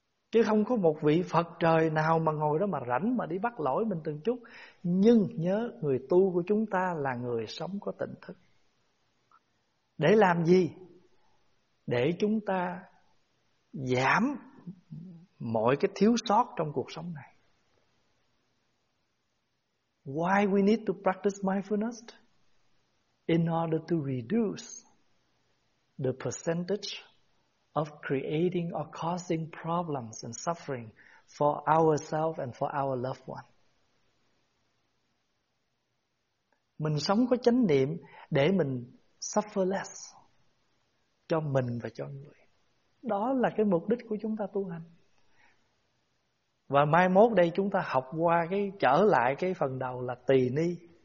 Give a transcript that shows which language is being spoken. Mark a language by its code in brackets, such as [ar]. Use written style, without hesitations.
[vi] Chứ không có một vị Phật trời nào mà ngồi đó mà rảnh mà đi bắt lỗi mình từng chút. Nhưng nhớ, người tu của chúng ta là người sống có tỉnh thức. Để làm gì? Để chúng ta giảm mọi cái thiếu sót trong cuộc sống này. [en] Why we need to practice mindfulness? In order to reduce the percentage of creating or causing problems and suffering for ourselves and for our loved one. [vi] Mình sống có chánh niệm để mình [en] suffer less [vi] cho mình và cho người. Đó là cái mục đích của chúng ta tu hành. Và mai mốt đây chúng ta học qua cái trở lại cái phần đầu là tỳ ni.